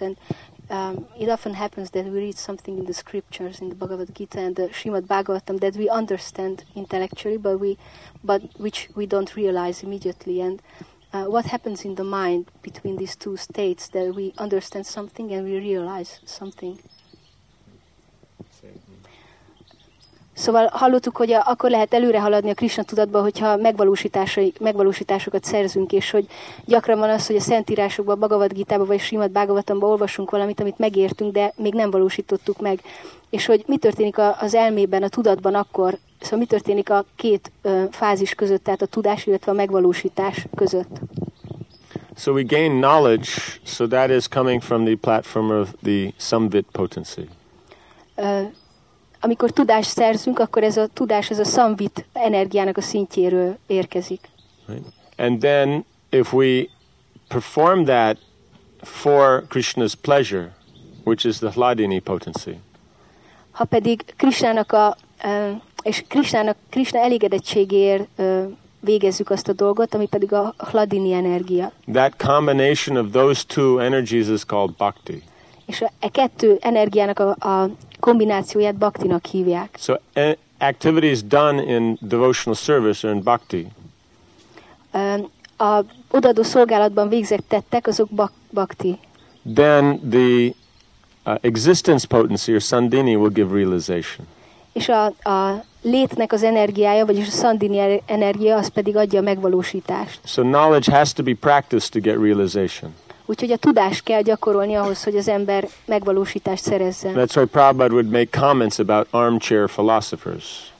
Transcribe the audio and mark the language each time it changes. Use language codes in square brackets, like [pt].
[en] And it often happens that we read something in the scriptures, in the Bhagavad Gita and the Srimad Bhagavatam, that we understand intellectually, but which we don't realize immediately. And what happens in the mind between these two states, that we understand something and we realize something? [hu] Szóval hallottuk, hogy akkor lehet előre haladni a Krishna tudatba, hogyha megvalósításokat szerzünk, és hogy gyakran van az, hogy a szentírásokban, a Bhagavad Gita-ba vagy Srimad Bhagavatamba olvasunk valamit, amit megértünk, de még nem valósítottuk meg. És hogy mi történik az elmében, a tudatban akkor, szóval mi történik a két fázis között, tehát a tudás, illetve a megvalósítás között. [en] So we gain knowledge, so that is coming from the platform of the Samvit potency. [hu] Amikor tudást szerzünk, akkor ez a tudás, ez a samvit energiának a szintjéről érkezik. [en] Right. And then, if we perform that for Krishna's pleasure, which is the hladini potency. [hu] Ha pedig Krishnának a és Krishnának Krishna elégedettségéért végezzük azt a dolgot, ami pedig a hladini energia. [en] That combination of those two energies is called bhakti. [hu] És a kettő energiának a kombinációját bhaktinak hívják. [en] So activities done in devotional service or in bhakti. [hu] A odaadó szolgálatban végzett tettek, azok bhakti. [en] Then the existence potency or sandini will give realization. [hu] És a létnek az energiája, vagyis a sandini energia, az pedig adja a megvalósítást. [en] So knowledge has to be practiced to get realization. [hu] Úgyhogy a tudást kell gyakorolni ahhoz, hogy az ember megvalósítást szerezzen. [en] That's why Prabhupada would make comments about armchair philosophers.